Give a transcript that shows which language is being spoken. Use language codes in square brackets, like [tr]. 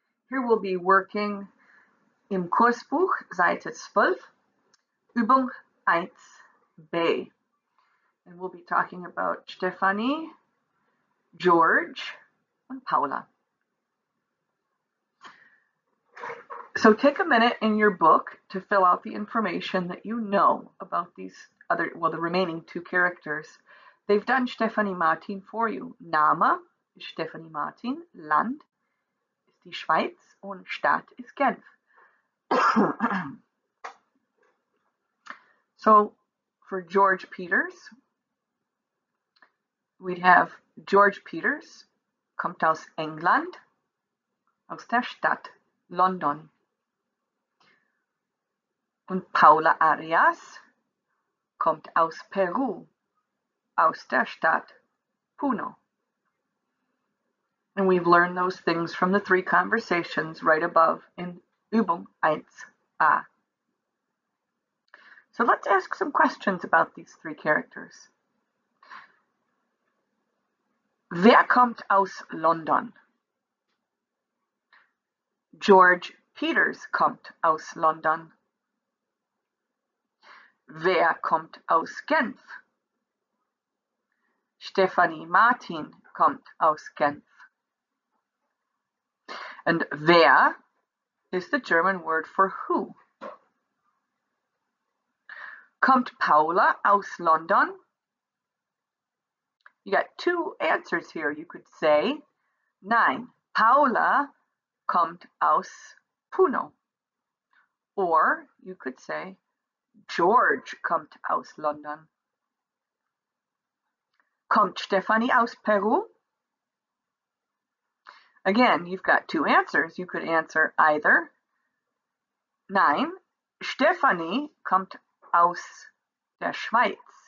[en] Who will be working [de] im Kursbuch Seite 12, Übung 1b? [en] And we'll be talking about Stephanie, George, and Paula. So take a minute in your book to fill out the information that you know about these other, well, the remaining two characters. They've done Stephanie Martin for you. Name is [de] Stephanie Martin, Land ist die Schweiz und Stadt ist Genf. [en] So for George Peters, we'd have [de] George Peters kommt aus England, aus der Stadt London. Und Paula Arias kommt aus Peru, aus der Stadt Puno. [en] And we've learned those things from the three conversations right above in Übung 1a. So let's ask some questions about these three characters. [de] Wer kommt aus London? George Peters kommt aus London. Wer kommt aus Genf? Stephanie Martin kommt aus Genf. [en] And wer is the German word for who? [de] Kommt Paula aus London? [en] You got two answers here. You could say, [de] nein, Paula kommt aus Puno. [en] Or you could say, [de] George kommt aus London. Kommt Stephanie aus Peru? [en] Again, you've got two answers. You could answer either. [de] Nein, Stephanie kommt aus der Schweiz.